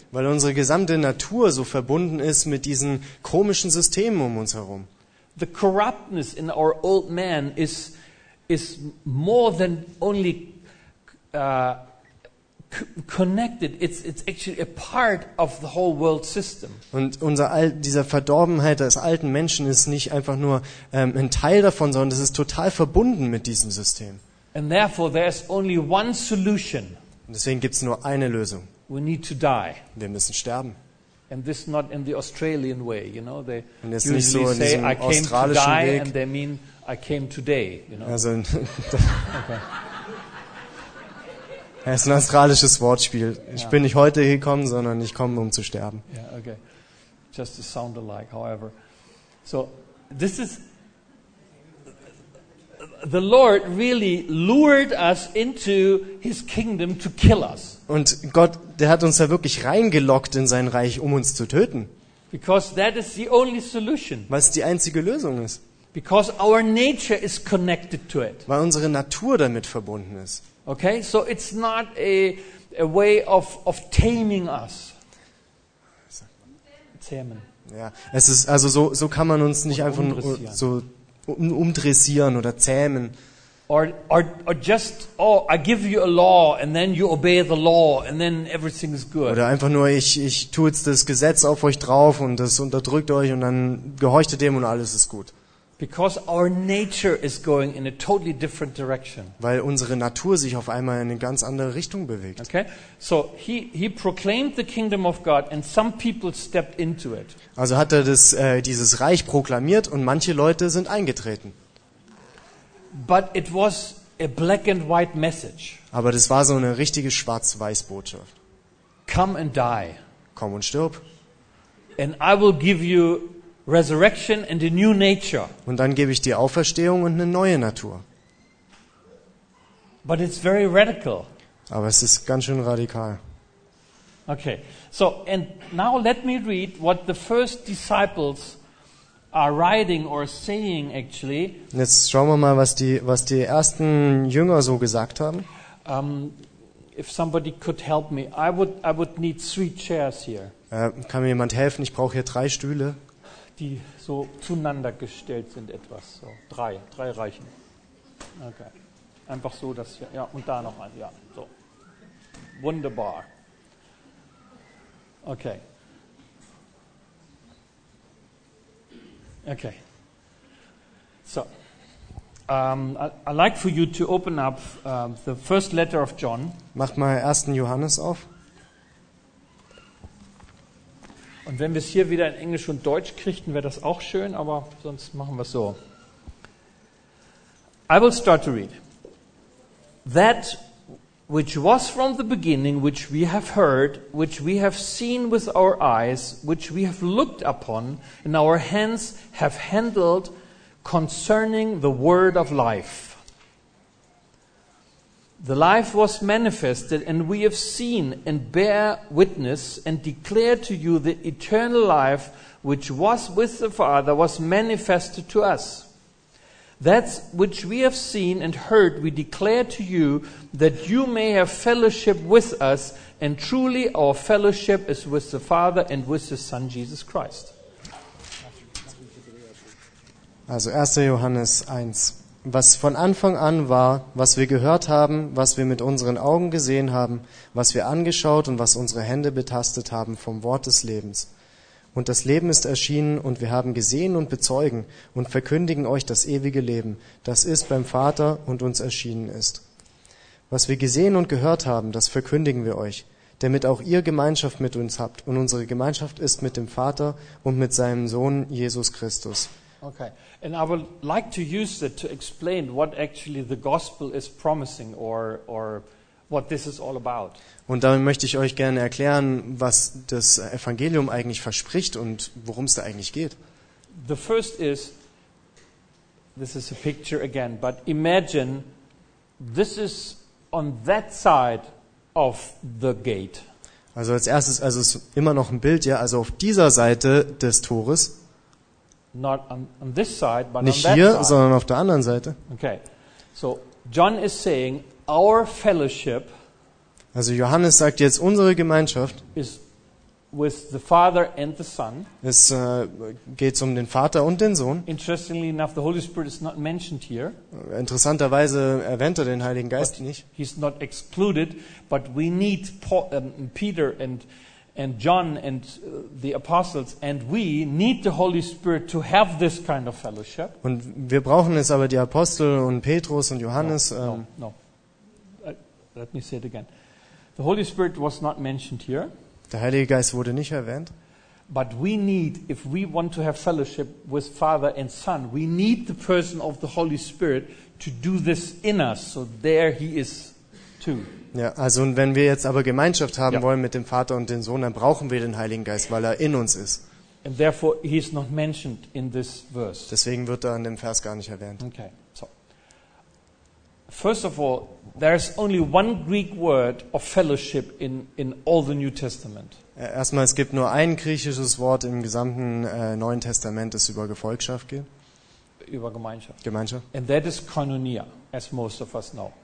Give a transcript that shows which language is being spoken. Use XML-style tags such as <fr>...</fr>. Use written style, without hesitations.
<de>Weil unsere gesamte Natur so verbunden ist mit diesen komischen Systemen um uns herum.</de> <en>The corruptness in our old man is more than only connected, it's actually a part of the whole world system.</en> <de>Und dieser Verdorbenheit des alten Menschen ist nicht einfach nur ein Teil davon, sondern es ist total verbunden mit diesem System.</de> <en>And therefore there's only one solution.</en> <de>Und deswegen gibt's nur eine Lösung.</de> <en>We need to die.</en> <de>Wir müssen sterben.</de> <en>And this not in the Australian way, you know, they usually</en> <de>nicht</de> <en>so in say I came to die</en> <de>Weg.</de> <en>And they mean I came today, you know.</en> <de>Also okay. Das ist ein australisches Wortspiel. Ich bin nicht heute gekommen, sondern ich komme um zu sterben.</de> <en>Yeah, okay. Just to sound alike, however. So this is the Lord really lured us into his kingdom to kill us.</en> <de>Und Gott, der hat uns da wirklich reingelockt in sein Reich, um uns zu töten.</de> <en>Because that is the only solution.</en> <de>Weil es die einzige Lösung ist.</de> <en>Because our nature is connected to it.</en> <de>Weil unsere Natur damit verbunden ist.</de> <en>Okay, so it's not a way of taming us. Tamen.</en> <de>Ja, es ist also so kann man uns nicht einfach so umdressieren oder zähmen.</de> <en>Or just, oh, I give you a law and then you obey the law and then everything is good.</en> <de>Oder einfach nur, ich tue jetzt das Gesetz auf euch drauf und das unterdrückt euch und dann gehorcht ihr dem und alles ist gut.</de> <en>Because our nature is going in a totally different direction.</en> <de>Weil unsere Natur sich auf einmal in eine ganz andere Richtung bewegt.</de> <en>Okay, so he proclaimed the kingdom of God and some people stepped into it.</en> <de>Also hat er dieses Reich proklamiert und manche Leute sind eingetreten.</de> <en>But it was a black and white message.</en> <de>Aber das war so eine richtige schwarz-weiß Botschaft.</de> <en>Come and die.</en> <de>Komm und stirb.</de> <en>And I will give you resurrection and a new nature.</en> <de>Und dann gebe ich dir Auferstehung und eine neue Natur.</de> <en>But it's very radical.</en> <de>Aber es ist ganz schön radikal.</de> <en>Okay. So and now let me read what the first disciples are writing or saying actually.</en> <de>Jetzt schauen wir mal, was die ersten Jünger so gesagt haben.</de> <en>If somebody could help me, I would need three chairs here.</en> <de>Kann mir jemand helfen? Ich brauche hier drei Stühle, die so zueinander gestellt sind etwas. So drei reichen. Okay. Einfach so, dass hier, ja, und da noch ein, ja, so. Wunderbar. Okay. Okay.</de> <en>So, I'd like for you to open up the first letter of John.</en> <de>Mach mal 1. Johannes auf. Und wenn wir es hier wieder in Englisch und Deutsch kriegten, wäre das auch schön, aber sonst machen wir es so.</de> <en>I will start to read. That which was from the beginning, which we have heard, which we have seen with our eyes, which we have looked upon, and our hands have handled concerning the word of life. The life was manifested, and we have seen and bear witness and declare to you the eternal life which was with the Father was manifested to us. That which we have seen and heard we declare to you that you may have fellowship with us, and truly our fellowship is with the Father and with his Son Jesus Christ.</en> <de>Also 1. Johannes 1. Was von Anfang an war, was wir gehört haben, was wir mit unseren Augen gesehen haben, was wir angeschaut und was unsere Hände betastet haben vom Wort des Lebens. Und das Leben ist erschienen und wir haben gesehen und bezeugen und verkündigen euch das ewige Leben, das ist beim Vater und uns erschienen ist. Was wir gesehen und gehört haben, das verkündigen wir euch, damit auch ihr Gemeinschaft mit uns habt, und unsere Gemeinschaft ist mit dem Vater und mit seinem Sohn Jesus Christus.</de> <en>Okay, and I would like to use that to explain what actually the gospel is promising or what this is all about.</en> <de>Und damit möchte ich euch gerne erklären, was das Evangelium eigentlich verspricht und worum es da eigentlich geht.</de> <en>The first is, this is a picture again, but imagine this is on that side of the gate.</en> <de>Also als erstes, also es ist immer noch ein Bild, ja, also auf dieser Seite des Tores.</de> <en>Not on this side, but</en> <de>nicht</de> <en>on that</en> <de>hier,</de> <en>side.</en> <de>Sondern auf der anderen Seite.</de> <en>Okay, so John is saying our fellowship.</en> <de>Also Johannes sagt jetzt, unsere Gemeinschaft</de> <en>is with the Father and the Son.</en> <de>Es geht um den Vater und den Sohn.</de> <en>Interestingly enough, the Holy Spirit is not mentioned here.</en> <de>Interessanterweise erwähnt er den Heiligen Geist nicht.</de> <en>He's not excluded, but we need Peter and John and the apostles, and we need the Holy Spirit to have this kind of fellowship.</en> <de>Und wir brauchen es aber, die Apostel und Petrus und Johannes.</de> <en>Let me say it again. The Holy Spirit was not mentioned here.</en> <de>Der Heilige Geist wurde nicht erwähnt.</de> <en>But we need, if we want to have fellowship with Father and Son, we need the person of the Holy Spirit to do this in us. So there he is too.</en> <de>Ja, also und wenn wir jetzt aber Gemeinschaft haben wollen mit dem Vater und dem Sohn, dann brauchen wir den Heiligen Geist, weil er in uns ist.</de> <en>And therefore he is not mentioned in this verse.</en> <de>Deswegen wird er in dem Vers gar nicht erwähnt.</de> <en>Okay, so. First of all, there is only one Greek word of fellowship in all the New Testament.</en> <de>Erstmal, es gibt nur ein griechisches Wort im gesamten Neuen Testament, das über Gefolgschaft geht. Über Gemeinschaft. Gemeinschaft.</de> <en>And that is koinonia, as most of us know.</en>